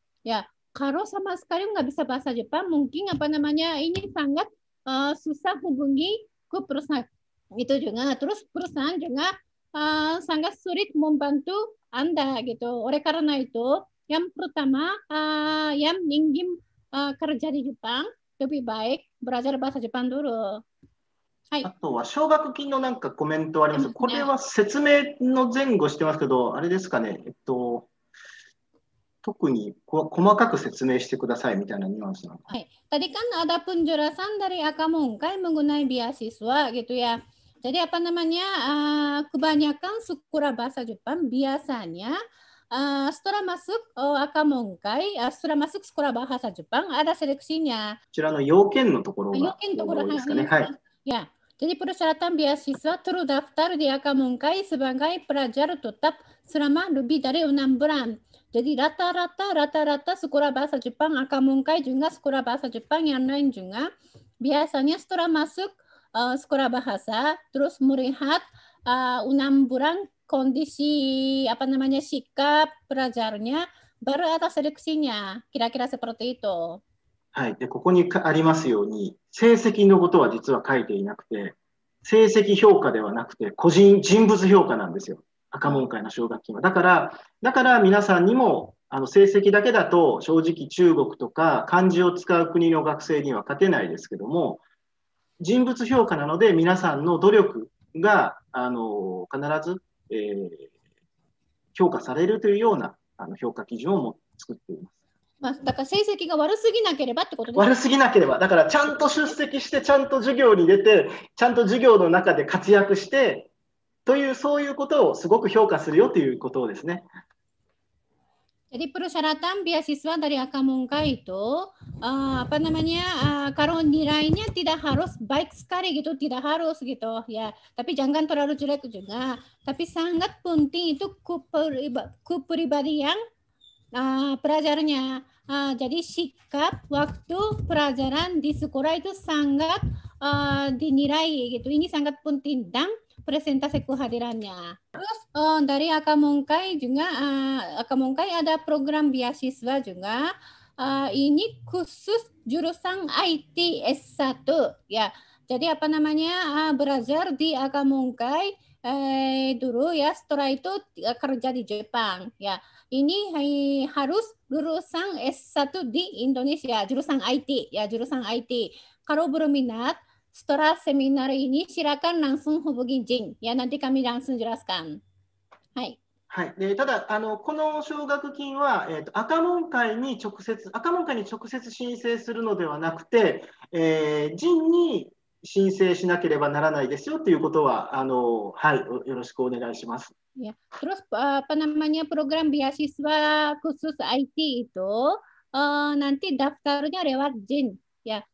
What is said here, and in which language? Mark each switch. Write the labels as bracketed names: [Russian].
[Indonesian] Ya, kalau sama sekali nggak bisa bahasa Jepang, mungkin apa namanya ini sangat susah hubungi ke perusahaan itu juga. Terus perusahaan juga sangat sulit membantu Anda gitu. Oleh karena itu, yang pertama yang ingin kerja di Jepang lebih baik belajar bahasa Jepang dulu. [Japanese] はい、あとは奨学金のなんかコメントあります。これは説明の前後してますけど、あれですかね、特に細かく説明してくださいみたいなニュアンスなのか。はい。 [Indonesian] Tadi kan ada penjelasan dari Akamunkai mengenai beasiswa gitu ya. Jadi apa namanya, kebanyakan sekolah bahasa Jepang biasanya setelah masuk Akamunkai, setelah masuk sekolah bahasa Jepang ada seleksinya. [Japanese] こちらの要件のところが要件のところですかね。はい。 [Indonesian] Ya, jadi persyaratan beasiswa terdaftar di Akamunkai sebagai pelajar tetap selama lebih dari 6 bulan. Jadi rata-rata sekolah bahasa Jepang Akamunkai juga sekolah bahasa Jepang yang lain juga biasanya setelah masuk sekolah bahasa terus melihat 6 bulan kondisi apa namanya sikap pelajarnya baru ada seleksinya. Kira-kira seperti itu. [Japanese] はい、でここにありますように成績のことは実は書いていなくて成績評価ではなくて個人人物評価なんですよ赤門会の奨学金はだから皆さんにも成績だけだと正直中国とか漢字を使う国の学生には勝てないですけども人物評価なので皆さんの努力が必ず、評価されるというような評価基準を作っていますまあ、だから成績が悪すぎなければってことですか悪すぎなければだからちゃんと出席してちゃんと授業に出てちゃんと授業の中で活躍してというそういうことをすごく評価するよということですね。 [Indonesian] Jadi persyaratan beasiswa dari Akamunkai itu apa namanya kalau nilainya tidak harus baik sekali gitu tidak harus gitu ya tapi jangan terlalu jelek juga tapi sangat penting itu kepribadian pelajarnya jadi sikap waktu pelajaran di sekolah itu sangat dinilai gitu ini sangat penting dan presentasi kehadirannya terus dari Akamunkai juga Akamunkai ada program beasiswa juga ini khusus jurusan IT S1 ya jadi apa namanya belajar di Akamunkai dulu ya setelah itu kerja di Jepang ya ini harus jurusan S1 di Indonesia jurusan IT ya jurusan IT kalau berminat setelah seminar ini silakan langsung hubungi Jin ya nanti kami langsung jelaskan hai [Japanese] はい、でただこの奨学金は、赤門会に直接申請するのではなくて、Jin に申請しなければならないですよということは、はい、よろしくお願いします。 [Indonesian] Ya, terus apa namanya program beasiswa khusus IT itu nanti daftarnya lewat JIN ya.